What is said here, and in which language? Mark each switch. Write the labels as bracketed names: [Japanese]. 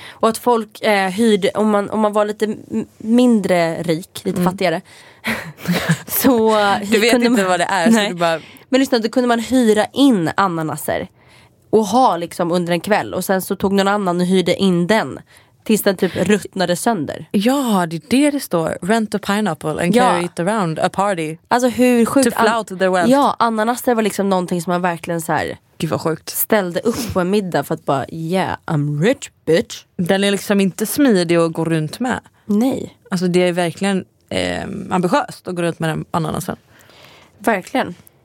[Swedish] Och att folk hyrde, om man var lite mindre rik, lite fattigare. Så du vet inte vad det är, nej. Så du bara... Men lyssna, då kunde man hyra in ananaser och ha liksom under en kväll. Och sen så tog någon annan och hyrde in den tills den typ ruttnade sönder. Ja, det är det står. [English] Rent a pineapple and carry it around a party. [Swedish] Alltså hur sjukt. [English] To flout their wealth. [Swedish] Ja, ananaser var liksom någonting som man verkligen så här. Gud vad sjukt. Ställde upp på en middag för att bara, [English] yeah, I'm rich bitch. [Swedish] Den är liksom inte smidig att gå runt med. Nej. Alltså det är verkligen ambitiöst att gå runt med ananasen. Verkligen.